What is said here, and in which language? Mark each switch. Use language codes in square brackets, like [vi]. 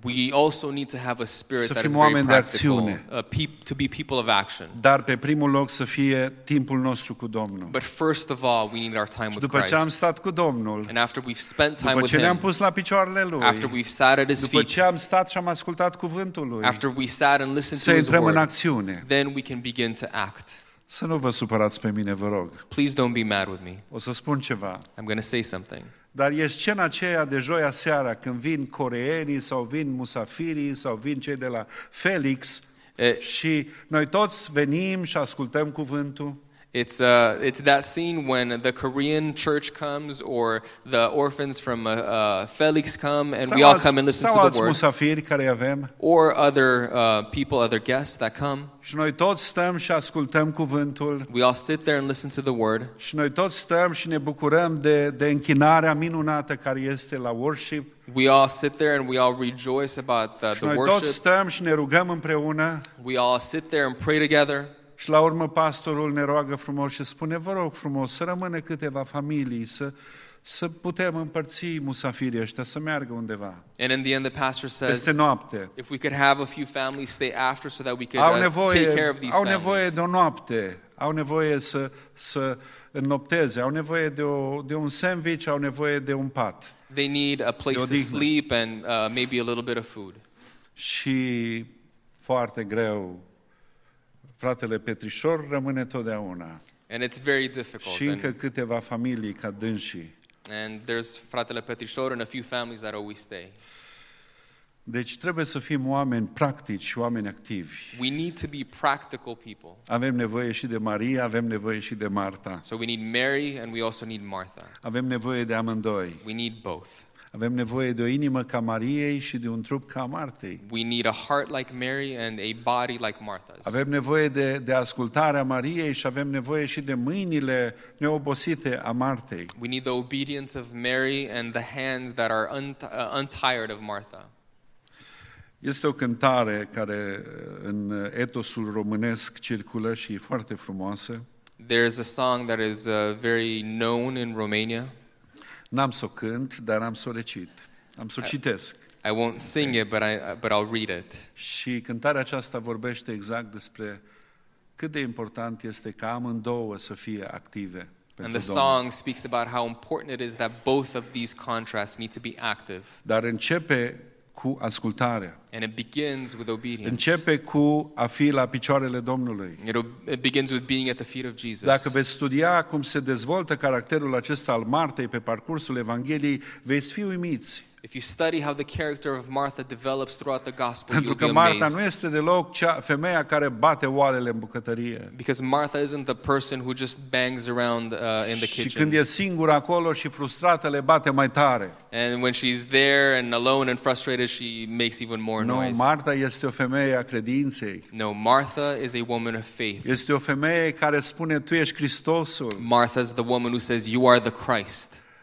[en] We also need to have a spirit that is very practical. [ro] De acțiune. [en] To be people of action. [ro] Dar pe primul loc să fie timpul nostru cu Domnul. [en] But first of all, we need our time with Christ. [ro] Și după ce am stat cu Domnul. [en] And after we've spent time with Him. [ro] După ce ne-am pus la picioarele Lui. [en] After we've sat at His feet. [ro] După ce am stat și am ascultat cuvântul Lui. [en] After we sat and listened to His word. [ro] Să intrăm în acțiune. [en] Then we can begin to act. [ro] Să nu vă supărați pe mine, vă rog. [en] Please don't be mad with me. [ro] O să spun ceva. [en] I'm going to say something. [ro] Dar e scena aceea de joia seara când vin coreenii sau vin musafirii sau vin cei de la Felix și noi toți venim și ascultăm cuvântul. [en] It's that scene when the Korean church comes or the orphans from Felix come and [ro] sau [en] we all come and listen to the word. [ro] Sau musafiri care avem. [en] Or other people, other guests that come. [ro] Și noi toți stăm și ascultăm cuvântul. [en] We all sit there and listen to the word. [ro] Și noi toți stăm și ne bucurăm de închinarea minunată care este la worship. [en] We all sit there and we all rejoice about the worship. [ro] Și noi toți stăm și ne rugăm împreună. [en] We all sit there and pray together. [ro] Și la urmă pastorul ne roagă frumos și spune, vă rog frumos, să rămână câteva familii, să putem împărți musafirii ăștia, să meargă undeva. [en] And in the end the pastor says, [ro] peste noapte. [en] If we could have a few families stay after so that we could take care of these families. [ro] Au nevoie de o noapte, au nevoie să înnopteze, au nevoie de un sandwich, au nevoie de un pat. [en] They need a place to sleep and maybe a little bit of food. [ro] Și foarte greu. Fratele Petrișor rămâne totdeauna. [en] And it's very difficult. [ro] Și încă câteva familii ca dânsii. [en] And there's fratele Petrișor and a few families that always stay. [ro] Deci trebuie să fim oameni practici și oameni activi. [en] We need to be practical people. [ro] Avem nevoie și de Maria, avem nevoie și de Marta. [en] So we need Mary and we also need Martha. [ro] Avem nevoie de amândoi. [en] We need both. [ro] Avem nevoie de o inimă ca Mariei și de un trup ca Martei. [en] We need a heart like Mary and a body like Martha's. [ro] Avem nevoie de ascultarea Mariei și avem nevoie și de mâinile neobosite a Martei. [en] We need the obedience of Mary and the hands that are untired of Martha. [ro] Este o cântare care în etosul românesc circulă și e foarte frumoasă. [en] There is a song that is very known in Romania. [ro] N-am să o cânt, dar am să o recit. Am să o citesc. [en] I won't sing it, but I'll read it. [ro] Și cântarea aceasta vorbește exact despre cât de important este ca amândouă să fie active pentru Domnul. [en] And the song speaks about how important it is that both of these contrasts need to be active. [ro] Dar începe cu ascultare. [en] And it begins with obedience. [ro] Începe cu a fi la picioarele Domnului. [en] It begins with being at the feet of Jesus. [ro] Dacă veți studia cum se dezvoltă caracterul acesta al Martei pe parcursul Evangheliei, veți fi uimiți. [en] If you study how the character of Martha develops throughout the gospel, you'll be amazed. [ro] Pentru că Marta nu este deloc cea femeia care bate oalele în bucătărie. [en] Because Martha isn't the person who just bangs around in the kitchen. [ro] Și când e singură acolo și frustrată, le bate mai tare. [en] And when she's there and alone and frustrated, she makes even more noise. [ro] No, Marta este o femeie a credinței. [en] No, Martha is a woman of faith. [ro] Este o femeie care spune, tu ești Hristosul. [en] Martha's the woman who says, you are the Christ.